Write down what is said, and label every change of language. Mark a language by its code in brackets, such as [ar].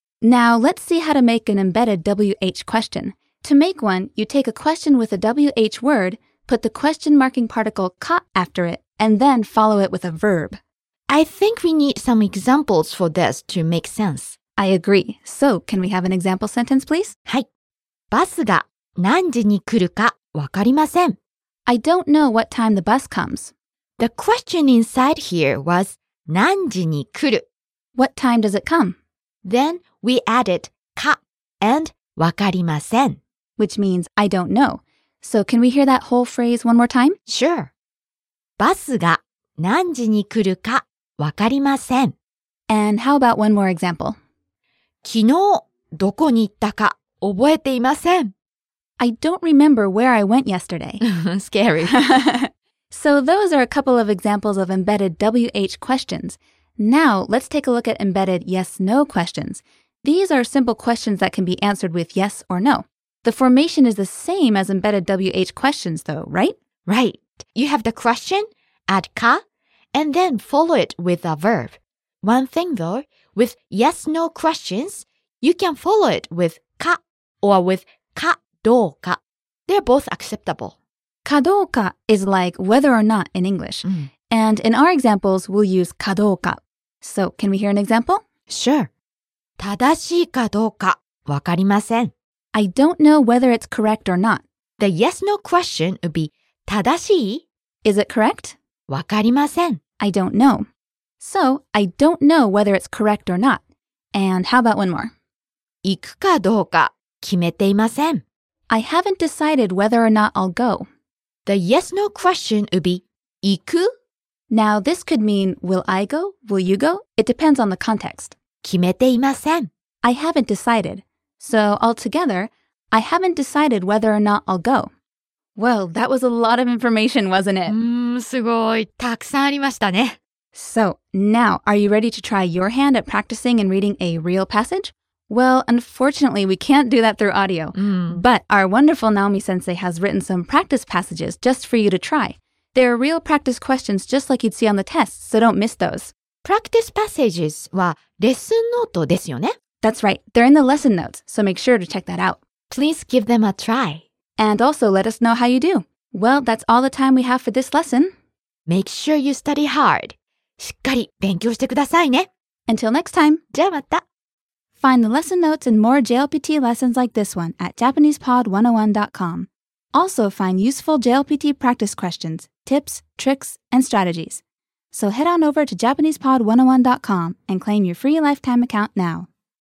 [en] Now let's see how to make an embedded WH question. To make one, you take a question with a WH word, put the question marking particle ka after it, and then follow it with a verb. I think we need some examples for this to make sense. I agree. So, can we have an example sentence, please? [ja] はい。バスが何時に来るかわかりません。 [en] I don't know what time the bus comes. The question inside here was [ja] 何時に来る? [en] What time does it come? Then we added か and [ja] わかりません, [en] which means I don't know. So, can we hear that whole phrase one more time? Sure. [ja] バスが何時に来るか わかりません. [en] And how about one more example? [ja] 昨日どこに行ったか覚えていません. [en] I don't remember where I went yesterday. Scary. So those are a couple of examples of embedded WH questions. Now let's take a look at embedded yes-no questions. These are simple questions that can be answered with yes or no. The formation is the same as embedded WH questions though, right? Right. You have the question, add ka, and then follow it with a verb. One thing though, with yes-no questions, you can follow it with ka or with ka douka. They're both acceptable. Ka douka is like whether or not in English. Mm. And in our examples, we'll use ka douka. So can we hear an example? Sure. [ja] 正しいかどうかわかりません. [en] I don't know whether it's correct or not. The yes-no question would be [ja] 正しい? [en] Is it correct? [ja] わかりません. [en] I don't know. So, I don't know whether it's correct or not. And how about one more? 行くかどうか決めていません. I haven't decided whether or not I'll go. The yes-no question would be 行く? Now, this could mean will I go? Will you go? It depends on the context. [ja] 決めていません. [en] I haven't decided. So, altogether, I haven't decided whether or not I'll go. Well, that was a lot of information, wasn't it? [ja] すごい、たくさんありましたね。 [en] So, now, are you ready to try your hand at practicing and reading a real passage? Well, unfortunately, we can't do that through audio. Mm. But our wonderful Naomi-sensei has written some practice passages just for you to try. There are real practice questions just like you'd see on the test, so don't miss those. Practice passages [ja] はレッスンノートですよね? [en] That's right. They're in the lesson notes, so make sure to check that out. Please give them a try. And also let us know how you do. Well, that's all the time we have for this lesson. Make sure you study hard. [ja] しっかり勉強してくださいね。 [en] Until next time. [ja] じゃあまた。 [en] Find the lesson notes and more JLPT lessons like this one at JapanesePod101.com. Also find useful JLPT practice questions, tips, tricks, and strategies. So head on over to JapanesePod101.com and claim your free lifetime account now.